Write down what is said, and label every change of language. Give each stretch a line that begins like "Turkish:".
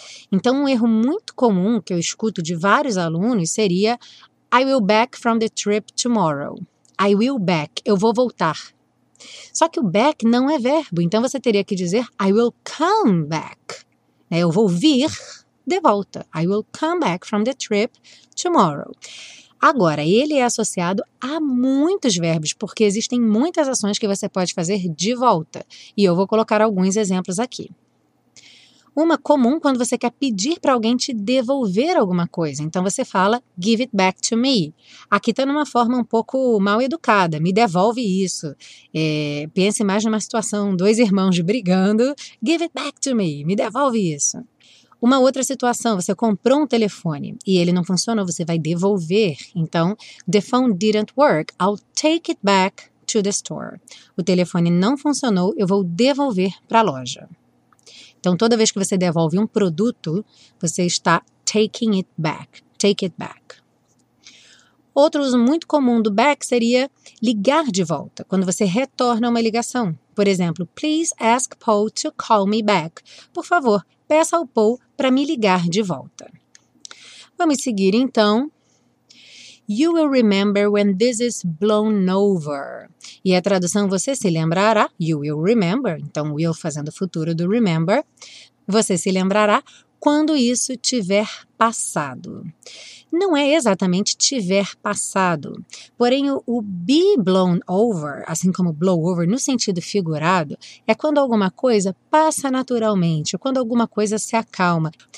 Portuguese: Então, um erro muito comum que eu escuto de vários alunos seria
English: I will back from the trip tomorrow. I will back.
Portuguese: Eu vou voltar. Só que o back não é verbo. Então, você teria que dizer
English: I will come back.
Portuguese: Eu vou vir de volta.
English: I will come back from the trip tomorrow.
Portuguese: Agora, ele é associado a muitos verbos, porque existem muitas ações que você pode fazer de volta. E eu vou colocar alguns exemplos aqui. Uma comum quando você quer pedir para alguém te devolver alguma coisa. Então, você fala,
English: give it back to me.
Portuguese: Aqui está numa forma um pouco mal educada, me devolve isso. Pense mais numa situação, dois irmãos brigando,
English: give it back to me,
Portuguese: me devolve isso. Uma outra situação, você comprou um telefone e ele não funcionou, você vai devolver.
English: Então, the phone didn't work, I'll take it back to the store.
Portuguese: O telefone não funcionou, eu vou devolver para a loja. Então, toda vez que você devolve um produto, você está
English: taking it back, take it back.
Portuguese: Outro uso muito comum do back seria ligar de volta, quando você retorna uma ligação. Por exemplo,
English: please ask Paul to call me back.
Portuguese: Por favor, peça ao Paul para me ligar de volta. Vamos seguir, então.
English: You will remember when this is blown over.
Portuguese: E a tradução, você se lembrará.
English: You will remember.
Portuguese: Então, will fazendo o futuro do remember. Você se lembrará quando isso tiver passado. Não é exatamente tiver passado. Porém, o be blown over, assim como blow over no sentido figurado, é quando alguma coisa passa naturalmente, quando alguma coisa se acalma.